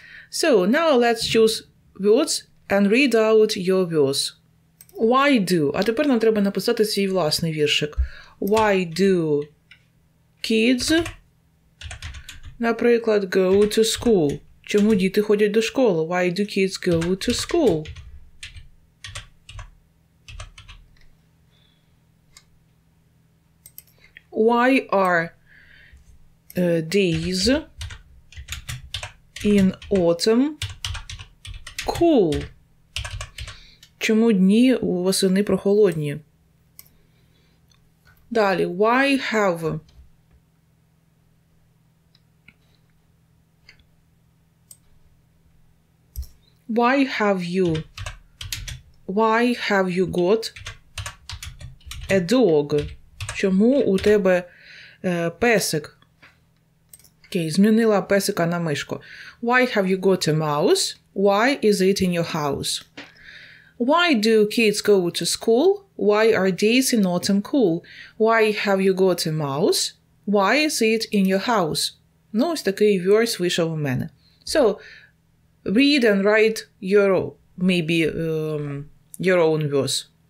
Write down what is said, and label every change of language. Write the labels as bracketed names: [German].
[English] So, now let's choose words and read out your words. Why do? [Ukrainian] А тепер нам треба написати свій власний віршик. [English] Why do kids, [Ukrainian] наприклад, [English] go to school? [Ukrainian] Чому діти ходять до школи? [English] Why do kids go to school? Why are days in autumn cool? [Ukrainian] Чому дні восени прохолодні? Далі. [English] Why have Why have you got a dog? [Ukrainian] Чому у тебе песик? Окей, змінила песика на мишку. [English] Why have you got a mouse? Why is it in your house? Why do kids go to school? Why are days in autumn cool? Why have you got a mouse? Why is it in your house? [Ukrainian] Ну, ось такий вірш вийшов у мене. [English] So, read and write your, maybe, your own verse.